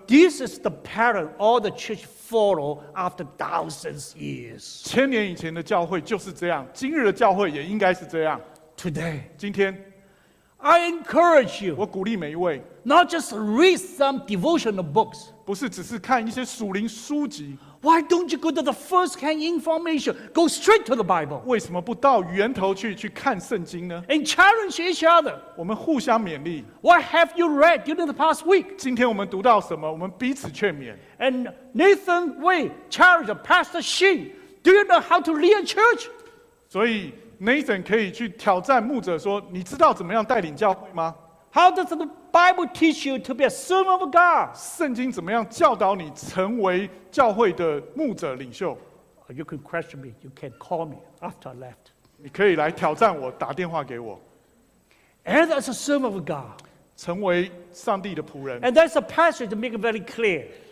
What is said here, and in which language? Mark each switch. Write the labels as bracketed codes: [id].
[en] This is the pattern all the church follow after thousands of years. [zh] 千年以前的教会就是这样，今日的教会也应该是这样。 [en] Today. [zh] 今天。 [en] I encourage you. [zh] 我鼓励每一位。 [en] Not just read some devotional books. [zh] 不是只是看一些属灵书籍。 [en] Why don't you go to the first-hand information? Go straight to the Bible. [zh] 为什么不到源头去看圣经呢？ [en] And challenge each other. [zh] 我们互相勉励。 [en] What have you read during the past week? [zh] 今天我们读到什么？我们彼此劝勉。 [en] And Nathan Wei challenged Pastor Xin. Do you know how to lead a church? [zh] 所以 Nathan 可以去挑战牧者说：“你知道怎么样带领教会吗？” [en] How does the Bible teach you to be a servant of God? [zh] 圣经怎么样教导你成为教会的牧者领袖？ [en] You can question me. You can call me after I left. [zh] 你可以来挑战我，打电话给我。 [en] And as a servant of God, [zh] 成为上帝的仆人。 [en] And that's a passage to make it very clear.